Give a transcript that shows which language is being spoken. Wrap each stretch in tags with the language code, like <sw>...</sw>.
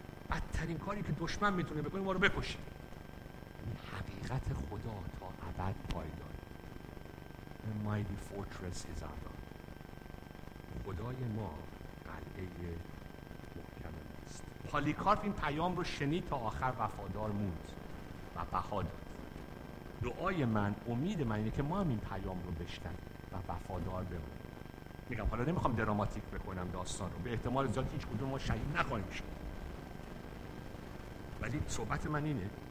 <fa>بدترین کاری که دشمن میتونه بکنه ما رو بکشه، حقیقت خدا تا ابد پایدار.</fa> <en>A mighty fortress is our God.</en> <fa>خدای ما قلعه محکم ماست. پالیکارپ این پیام رو شنید تا آخر وفادار موند و بها داد. دعای من، امید من اینه که ما هم این پیام رو بشنویم و وفادار بمونیم. میگم حالا نمیخوام دراماتیک بکنم داستان رو، به احتمال زیاد هیچ کدوم ما شهید نخواهیم شد، ولی صحبت من اینه.</fa>